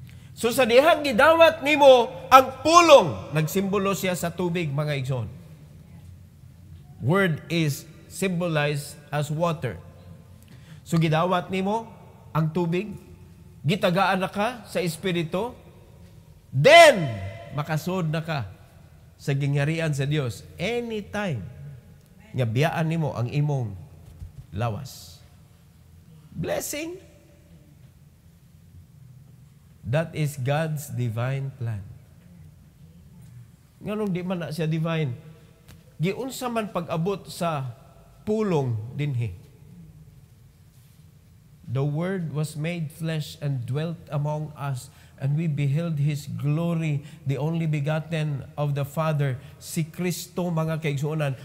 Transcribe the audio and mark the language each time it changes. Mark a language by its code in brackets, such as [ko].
[ceb] So sa dihang gidawat nimo ang pulong, nagsimbolo siya sa tubig, mga igsoon. [en] Word is symbolized as water. [ceb] So gidawat nimo ang tubig, gitagaan na ka sa Espiritu, [en] then makasood na ka [ceb] sa gingharian sa Dios anytime nga biyaan nimo ang imong lawas. [en] Blessing. That is God's divine plan. [ceb] Nganong di man na siya divine, giunsa man pag-abot sa pulong dinhi. [en] The Word was made flesh and dwelt among us, and we beheld His glory, the only begotten of the Father, [ceb] si Kristo, mga kaigsoonan.